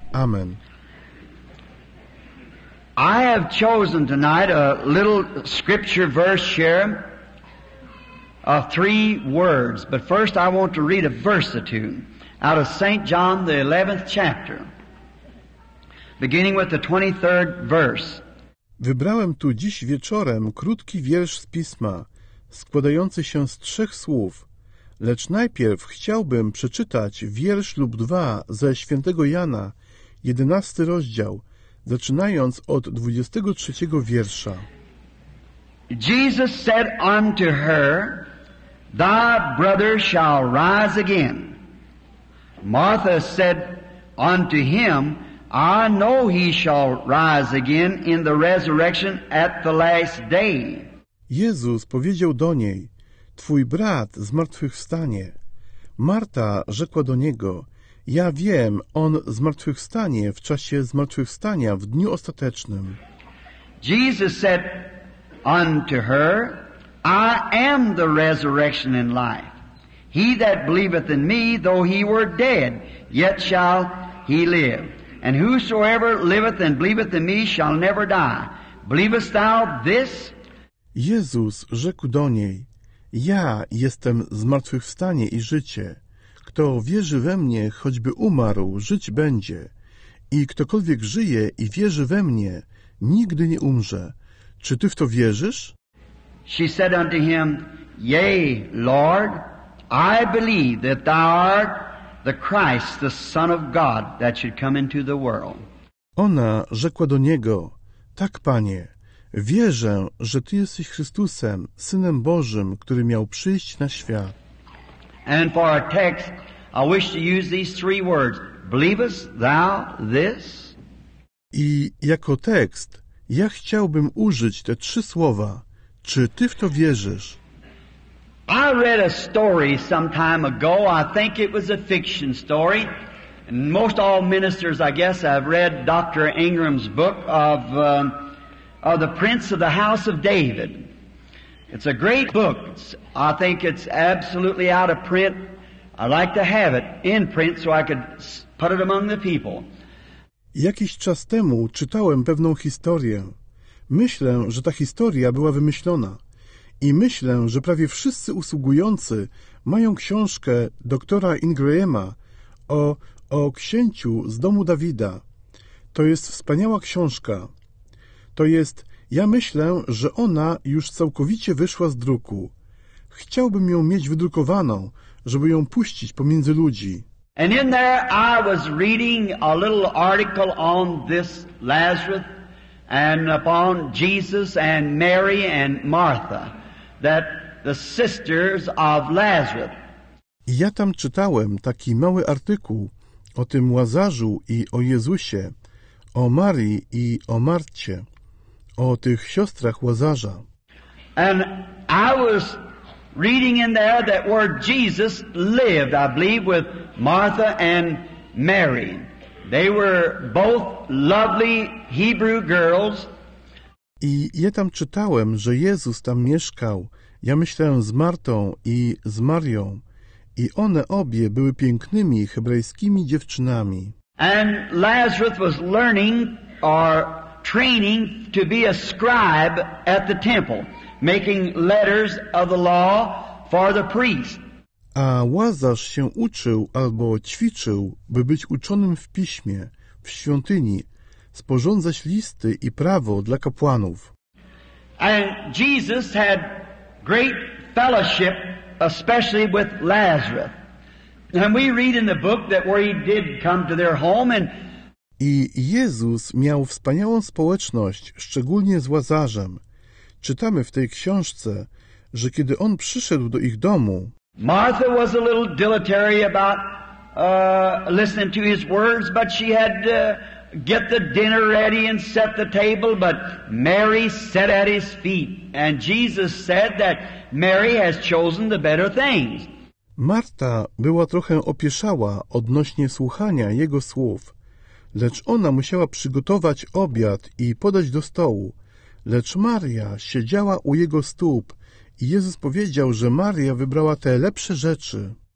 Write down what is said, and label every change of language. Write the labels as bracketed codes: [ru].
[en] Amen. I have chosen tonight a little scripture verse here of three words. But first I want to read a verse or two out of St. John, the 11th chapter, beginning with the 23rd verse. [pl] Wybrałem tu dziś wieczorem krótki wiersz z Pisma, składający się z trzech słów. Lecz najpierw chciałbym przeczytać wiersz lub dwa ze świętego Jana, 11 rozdział, zaczynając od 23 wiersza. [en] Jesus said unto her, thy brother shall rise again. Martha said unto him, I know he shall rise again in the resurrection at the last day. [pl] Jezus powiedział do niej, twój brat zmartwychwstanie. Marta rzekła do niego, ja wiem, on zmartwychwstanie w czasie zmartwychwstania w dniu ostatecznym. [en] Jesus said unto her, I am the resurrection and life. He that believeth in me, though he were dead, yet shall he live. And whosoever liveth and believeth in me shall never die. Believest thou this? [pl] Jezus rzekł do niej, Ja jestem zmartwychwstanie i życie. Kto wierzy we mnie, choćby umarł, żyć będzie. I ktokolwiek żyje i wierzy we mnie, nigdy nie umrze. Czy ty w to wierzysz? [en] She said unto him, Yea, Lord, I believe that thou art the Christ, the Son of God, that should come into the world. [pl] Ona rzekła do niego, Tak, Panie, wierzę, że Ty jesteś Chrystusem, Synem Bożym, który miał przyjść na świat. [en] And for our text, I wish to use these three words. Believest thou this? [pl] I jako tekst, ja chciałbym użyć te trzy słowa. Czy Ty w to wierzysz? [en] I read a story some time ago. I think it was a fiction story. And most all ministers, I guess, have read Dr. Ingram's book of the Prince of the House of David. It's a great book. I think it's absolutely out of print. I'd like to have it in print so I could put it among the people. [pl] Jakiś czas temu czytałem pewną historię. Myślę, że ta historia była wymyślona. I myślę, że prawie wszyscy usługujący mają książkę doktora Ingrahama o księciu z domu Dawida. To jest wspaniała książka. To jest, ja myślę, że ona już całkowicie wyszła z druku. Chciałbym ją mieć wydrukowaną, żeby ją puścić pomiędzy ludzi. [en] And in there I was reading a little article on this Lazarus and upon Jesus and Mary and Martha. That the sisters of Lazarus. [pl] Ja tam czytałem taki mały artykuł o tym Łazarzu i o Jezusie, o Marii i o Marcie, o tych siostrach Łazarza. [en] And I was reading in there that where Jesus lived, I believe, with Martha and Mary. They were both lovely Hebrew girls. [pl] I ja tam czytałem, że Jezus tam mieszkał. Ja myślę z Martą i z Marią. I one obie były pięknymi hebrajskimi dziewczynami. [en] And Lazarus was learning or training to be a scribe at the temple, making letters of the law for the priest. [pl] A Łazarz się uczył albo ćwiczył, by być uczonym w piśmie, w świątyni, sporządzać listy i prawo dla kapłanów. [en] And Jesus had great fellowship, especially with Lazarus. And we read in the book that where he did come to their home and... [pl] I Jezus miał wspaniałą społeczność, szczególnie z Łazarzem. Czytamy w tej książce, że kiedy on przyszedł do ich domu... [en] Martha was a little dilatory about listening to his words, but she had to get the dinner ready and set the table, but Mary sat at his feet. And Jesus said that Mary has chosen the better things. [pl] Marta była trochę opieszała odnośnie słuchania jego słów, lecz ona musiała przygotować obiad i podać do stołu. Lecz Maria siedziała u jego stóp i Jezus powiedział, że Maria wybrała te lepsze rzeczy.